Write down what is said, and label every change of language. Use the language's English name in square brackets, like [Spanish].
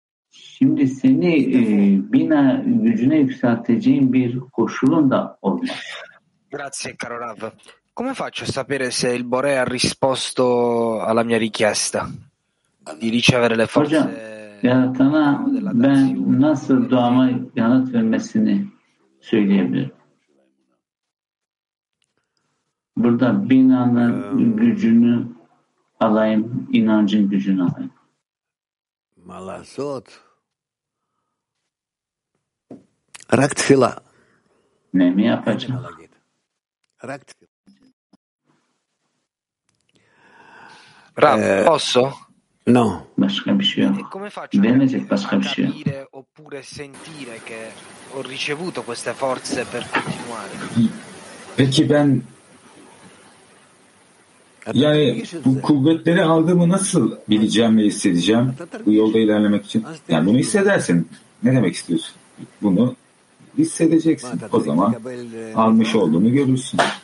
[Turkish] Şimdi seni bina gücüne yükselteceğin bir koşulun da olmaz. [Italian] Grazie caro Rav. Come faccio a sapere se il Bore ha risposto alla mia richiesta di ricevere le forze? [Turkish] Hocam, yaratana ben nasıl duama yanıt vermesini söyleyebilirim. Burada binanın gücünü alayım, inancın gücünü alayım. [Hebrew] Malasot. Rak tfila. [Turkish] Ne mi yapacağım? [Hebrew] Rak tfila. [Italian] Rav, posso? No. [Turkish] Başka bir şey yok. [Italian] E come faccio [Turkish] Benedict, başka bir şey yok. [Italian] Capire oppure sentire che ho ricevuto queste forze per continuare. [Turkish] Peki ben yani bu kuvvetleri aldığımı nasıl bileceğim ve hissedeceğim bu yolda ilerlemek için? Yani bunu hissedersin. Ne demek istiyorsun? Bunu hissedeceksin. O zaman almış olduğunu görürsün.